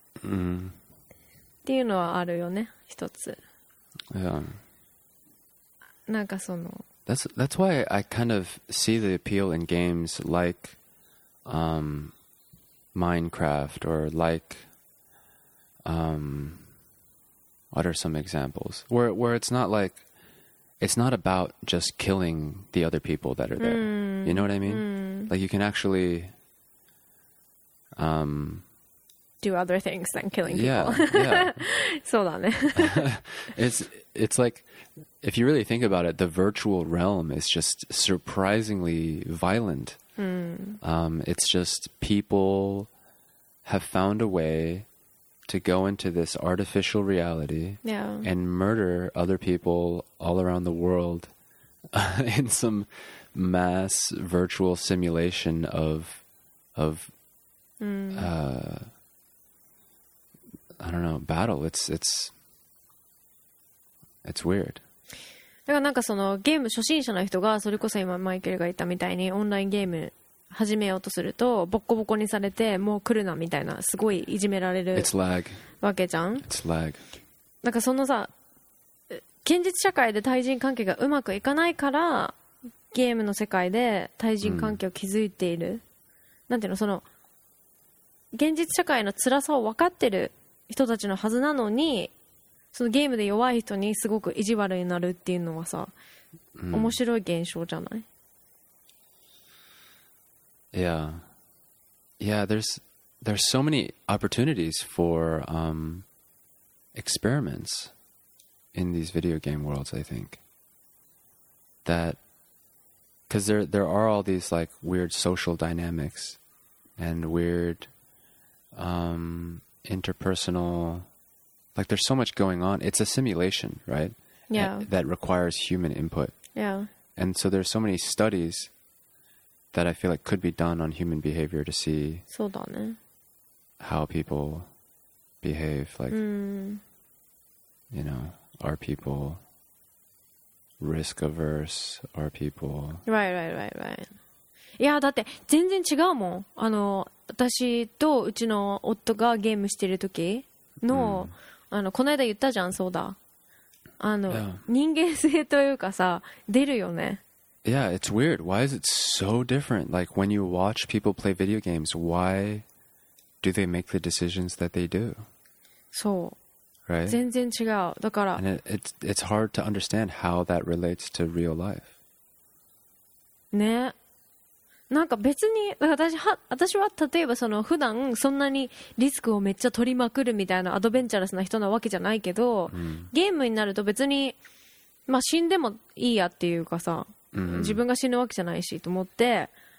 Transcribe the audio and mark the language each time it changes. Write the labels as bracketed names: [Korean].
[Japanese] っていうのはあるよね、一つ。 [English] Yeah. [Japanese] なんかその [English] That's why I kind of see the appeal in games like Minecraft or like What are some examples? Where it's not like, it's not about just killing the other people that are there. You know what I mean? Like, you can actually... do other things than killing people. Yeah, [Japanese] yeah. そうだね。 [English] It's like, if you really think about it, the virtual realm is just surprisingly violent. It's just people have found a way to go into this artificial reality and murder other people all around the world in some mass virtual simulation of I don't know, battle. It's weird. [Japanese] だからなんかそのゲーム初心者の人がそれこそ今マイケルが言ったみたいにオンラインゲーム始めようとするとボッコボコにされてもう来るなみたいなすごいいじめられるわけじゃん。 [English] It's lag. [Japanese] なんかそのさ現実社会で対人関係がうまくいかないからゲームの世界で対人関係を築いている、なんていうのその現実社会の辛さを分かってる人たちのはずなのにそのゲームで弱い人にすごく意地悪になるっていうのはさ、面白い現象じゃない？ [English] Yeah. Yeah, there's so many opportunities for experiments in these video game worlds, I think. That, because there are all these like weird social dynamics and weird interpersonal... Like, there's so much going on. It's a simulation, right? Yeah. That requires human input. Yeah. And so there's so many studies that I feel like could be done on human behavior to see how people behave. Like, you know, are people risk averse? Are people... Right. [Japanese] いやだって全然違うもん。あの、私とうちの夫がゲームしてる時の、あのこの間言ったじゃん、そうだ。あの、人間性というかさ、出るよね。 [English] Yeah, it's weird. Why is it so different? Like, when you watch people play video games, why do they make the decisions that they do? [Japanese] そう。 [English] Right? [Japanese] 全然違う。だから。 [English] And it's hard to understand how that relates to real life. [Japanese] ね。なんか別に私は例えばその普段そんなにリスクをめっちゃ取りまくるみたいなアドベンチャラスな人なわけじゃないけど、ゲームになると別に、まあ、死んでもいいやっていうかさ、自分が死ぬわけじゃないしと思って